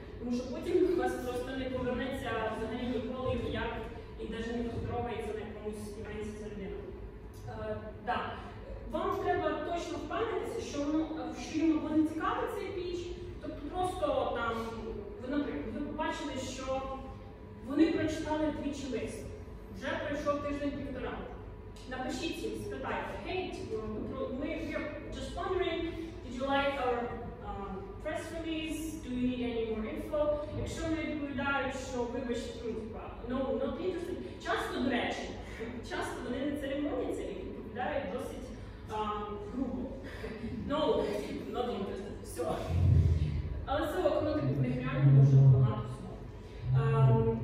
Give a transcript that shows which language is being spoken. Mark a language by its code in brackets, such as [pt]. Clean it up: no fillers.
[uk] Тому що потім у вас просто не повернеться взагалі ніколи ніяк і навіть не поздоровається на якомусь івенці з людиною. Вам треба точно впевнитися, що йому буде цікава ця піч. Тобто просто там, наприклад, ви побачили, що вони прочитали двічі лист. Вже пройшов тиждень-півтора. Напишіть їм, спитайте. [en] Hey, we're just wondering, did you like our press release? Do you need any more info? [uk] Якщо вони відповідають, що вибачте, [en] no, not interested. [uk] Часто, до речі, часто вони не церемоняться і відповідають досить грубо. [en] No, not interested. Все. [uk] Але це окно таке, в них реально дуже багато всього.